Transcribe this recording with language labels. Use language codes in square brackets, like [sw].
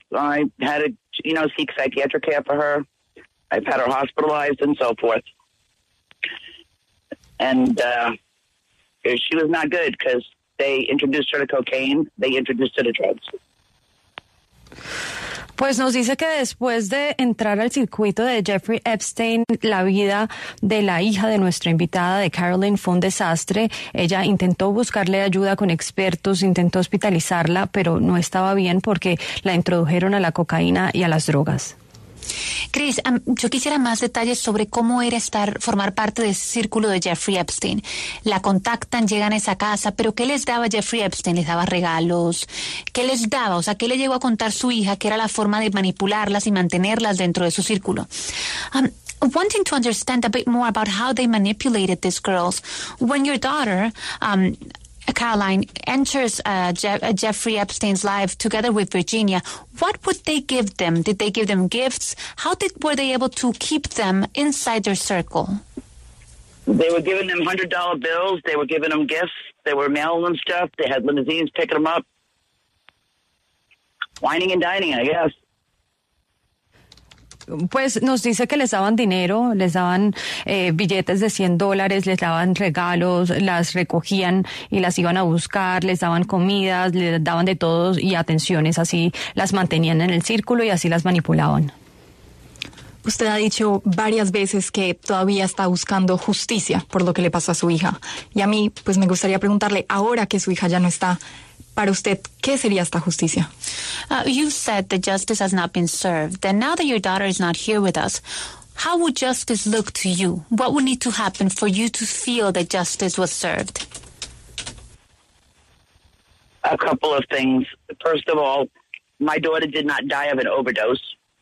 [en] I had to, you know, seek psychiatric care for her. I've had her hospitalized and so forth. And She was not good because they introduced her to cocaine. They introduced her to drugs. [es] Pues nos dice que después de entrar al circuito de Jeffrey Epstein, la vida de la hija de nuestra invitada, de Carolyn, fue un desastre. Ella intentó buscarle ayuda con expertos, intentó hospitalizarla, pero no estaba bien porque la introdujeron a la cocaína y a las drogas. Chris, yo quisiera más detalles sobre cómo era estar, formar parte de ese círculo de Jeffrey Epstein. La contactan, llegan a esa casa, pero ¿qué les daba Jeffrey Epstein? ¿Les daba regalos? ¿Qué les daba? O sea, ¿qué le llegó a contar su hija que era la forma de manipularlas y mantenerlas dentro de su círculo? [en] Wanting to understand a bit more about how they manipulated these girls, when your daughter, Caroline, enters Jeffrey Epstein's life together with Virginia, what would they give them? Did they give them gifts? How did were they able to keep them inside their circle? They were giving them $100 bills. They were giving them gifts. They were mailing them stuff. They had limousines picking them up. Wining and dining, I guess. [es] Pues nos dice que les daban dinero, les daban billetes de $100, les daban regalos, las recogían y las iban a buscar, les daban comidas, les daban de todos y atenciones, así las mantenían en el círculo y así las manipulaban. Usted ha dicho varias veces que todavía está buscando justicia por lo que le pasó a su hija. Y a mí, pues me gustaría preguntarle, ahora que su hija ya no está, para usted, ¿qué sería esta justicia? [en] You said that justice has not been served. And now that your daughter is not here with us, how would justice look to you? What would need to happen for you to feel that justice was served? A couple of things. First of all, my daughter did not die of an overdose.